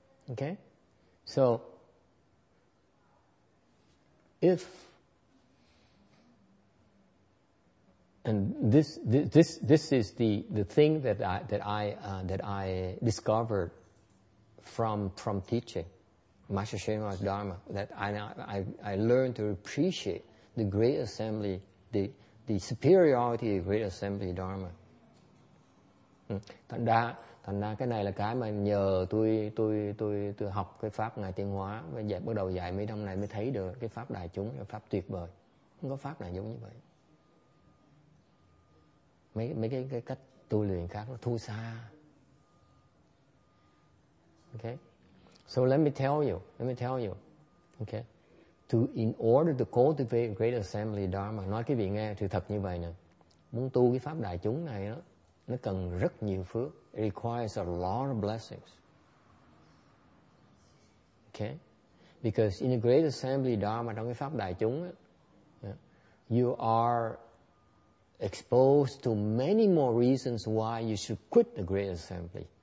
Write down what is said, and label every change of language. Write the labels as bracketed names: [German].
[English] Okay, so if and this is the thing that I discovered from teaching Master Srinivas Dharma, that I learned to appreciate the Great Assembly, the superiority of Great Assembly Dharma. [Vietnamese] Thành ra Thành ra cái này là cái mà nhờ tôi học cái pháp Ngài Tiên Hóa và dạy, bắt đầu dạy mấy năm nay mới thấy được cái pháp đại chúng, cái pháp tuyệt vời. Không có pháp nào giống như vậy. Mấy cái cách tu luyện khác nó thua xa. [English] Okay. So let me tell you. Okay. In order to cultivate a great assembly dharma, [Vietnamese] nói cái vị nghe thì thật như vậy nè. Muốn tu cái pháp đại chúng này đó, nó cần rất nhiều phước. [English] It requires a lot of blessings. Okay? Because in a great assembly dharma, [Vietnamese] trong cái pháp đại chúng, [English] you are exposed to many more reasons why you should quit the great assembly.